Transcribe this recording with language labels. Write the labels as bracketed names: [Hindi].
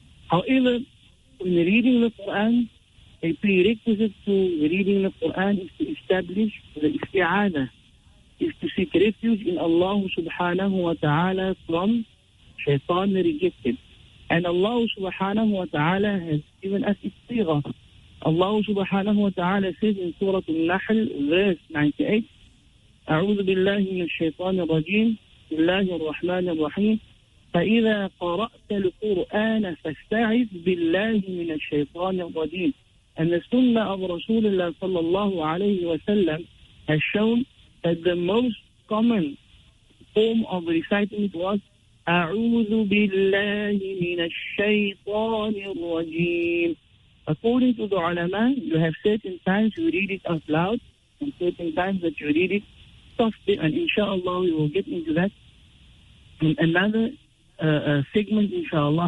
[English] However, when reading the Quran, a prerequisite to reading the Quran is to establish the isti'ana, is to seek refuge in Allah subhanahu wa ta'ala from shaitan rejected. And Allah subhanahu wa ta'ala has given us istigha. Allah subhanahu wa ta'ala says in Surah Al-Nahl, verse 98, [Arabic] أعوذ بالله من الشيطان الرجيم بسم الله الرحمن الرحيم فإذا قرأت القرآن فاستعذ بالله من الشيطان الرجيم. [English] And the sunnah of Rasulullah sallallahu alayhi wa sallam has shown that the most common form of reciting it was [Arabic] أعوذ بالله من الشيطان الرجيم. [English] According to the ulama, you have certain times you read it out loud and certain times that you read it softly, and inshallah we will get into that in another segment inshallah.